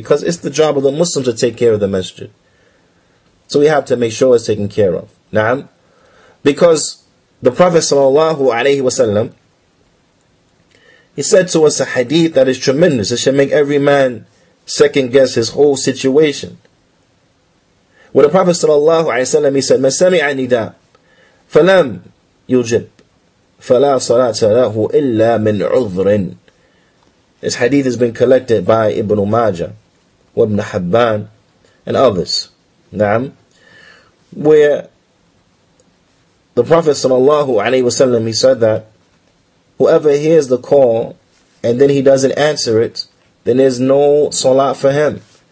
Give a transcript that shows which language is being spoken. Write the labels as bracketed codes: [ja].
[en] Because it's the job of the Muslims to take care of the masjid. So we have to make sure it's taken care of. Na'am. Because the Prophet sallallahu alayhi wa sallam, he said to us a hadith that is tremendous. It should make every man second guess his whole situation. [ar] Where the Prophet sallallahu alayhi wa sallam, he said, مَنْ سَمِعَ نِدَى فَلَمْ يُجِبْ فَلَا صَلَاةَ لَهُ إِلَّا مِنْ عُذْرٍ. [en] This hadith has been collected by Ibn Majah, Ibn Hibban, and others. Na'am. Where the Prophet sallallahu alayhi wa sallam, he said that whoever hears the call and then he doesn't answer it, then there's no salat for him.